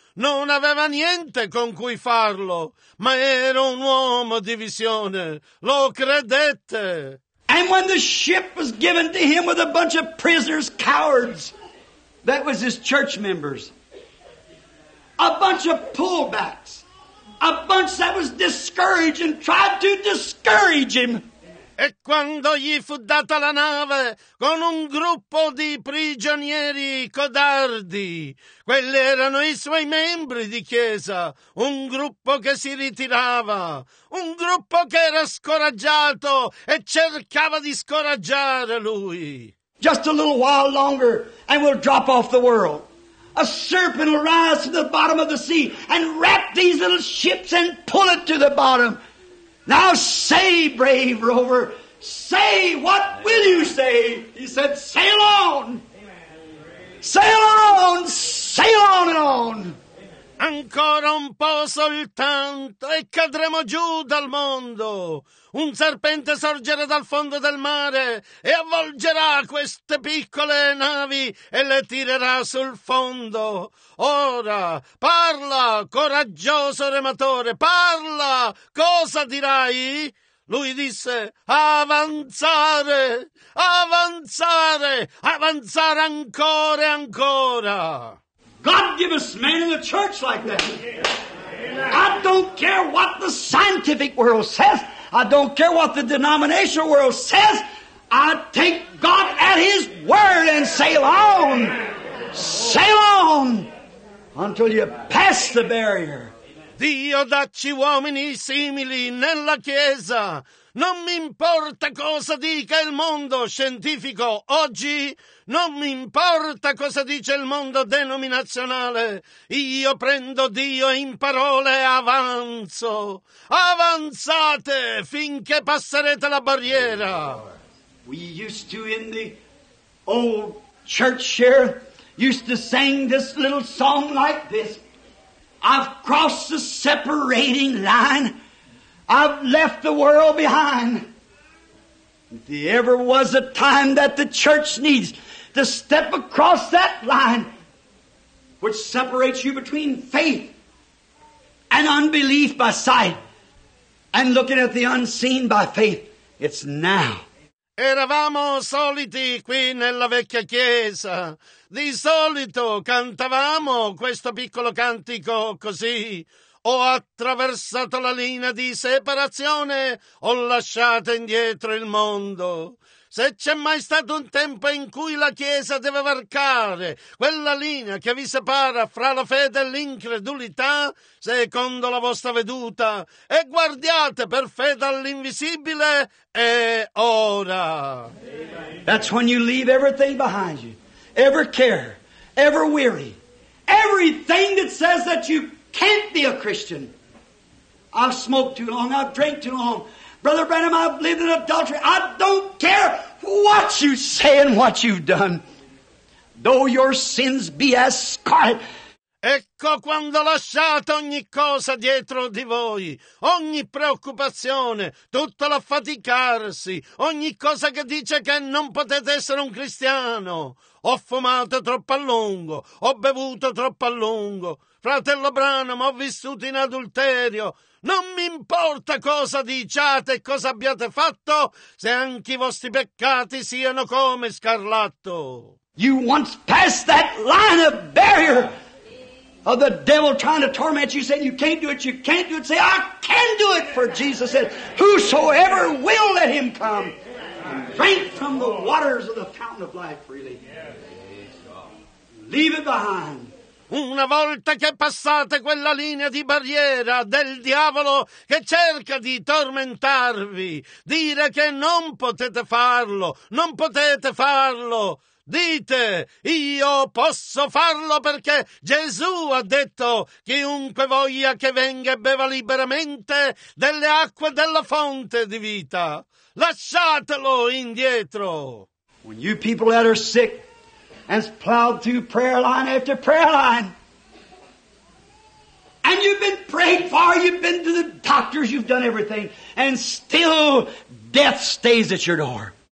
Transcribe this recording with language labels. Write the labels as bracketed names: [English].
[Italian] Non aveva niente con cui farlo, ma era un uomo di visione. Lo credette? [English] And when the ship was given to him with a bunch of prisoners, cowards, that was his church members, a bunch of pullbacks, a bunch that was discouraged and tried to discourage him. [Italian] E quando gli fu data la nave con un gruppo di prigionieri codardi, quelli erano i suoi membri di chiesa, un gruppo che si ritirava, un gruppo che era scoraggiato e cercava di scoraggiare lui. [English] Just a little while longer and we'll drop off the world. A serpent will rise to the bottom of the sea and wrap these little ships and pull it to the bottom. Now say, brave rover, say, what will you say? He said, sail on. Sail on, sail on and on. [Italian] Ancora un po' soltanto e cadremo giù dal mondo. Un serpente sorgerà dal fondo del mare e avvolgerà queste piccole navi e le tirerà sul fondo. Ora, parla, coraggioso rematore, parla! Cosa dirai? Lui disse, avanzare, avanzare, avanzare ancora e ancora. [English] God give us men in the church like that. I don't care what the scientific world says. I don't care what the denominational world says. I take God at His word and sail on. Sail on until you pass the barrier. [Italian] Dio dacci uomini simili nella chiesa. Non mi importa cosa dica il mondo scientifico oggi, non mi importa cosa dice il mondo denominazionale, io prendo Dio in parole e avanzo. Avanzate finché passerete la barriera. [English] We used to in the old church here, used to sing this little song like this. I've crossed the separating line. I've left the world behind. If there ever was a time that the church needs to step across that line which separates you between faith and unbelief by sight and looking at the unseen by faith, it's now. [Italian] Eravamo soliti qui nella vecchia chiesa. Di solito cantavamo questo piccolo cantico così. Ho attraversato la linea di separazione, ho lasciato indietro il mondo. Se c'è mai stato un tempo in cui la Chiesa deve varcare quella linea che vi separa fra la fede e l'incredulità, secondo la vostra veduta, e guardiate per fede all'invisibile, è ora. [English] That's when you leave everything behind you. Every care, every weary, everything that says that you can't be a Christian. I've smoked too long. I've drank too long. Brother Branham, I've lived in adultery. I don't care what you say and what you've done. Though your sins be as scarlet. [Italian] Ecco quando lasciate ogni cosa dietro di voi, ogni preoccupazione, tutto l'affaticarsi, ogni cosa che dice che non potete essere un cristiano. Ho fumato troppo a lungo, ho bevuto troppo a lungo. Fratello Branham, ho vissuto in adulterio. Non mi importa cosa diciate e cosa abbiate fatto, se anche i vostri peccati siano come scarlatto. [English] You once passed that line of barrier of the devil trying to torment you, saying you can't do it, you can't do it. Say, I can do it, for Jesus said, whosoever will let him come and drink from the waters of the fountain of life freely. Leave it behind. [Italian] Una volta che passate quella linea di barriera del diavolo che cerca di tormentarvi, dire che non potete farlo, non potete farlo. Dite, io posso farlo perché Gesù ha detto, chiunque voglia che venga e beva liberamente delle acque della fonte di vita. Lasciatelo indietro. [English] When you people that are sick and plowed through prayer line after prayer line, and you've been prayed for, you've been to the doctors, you've done everything, and still death stays at your door.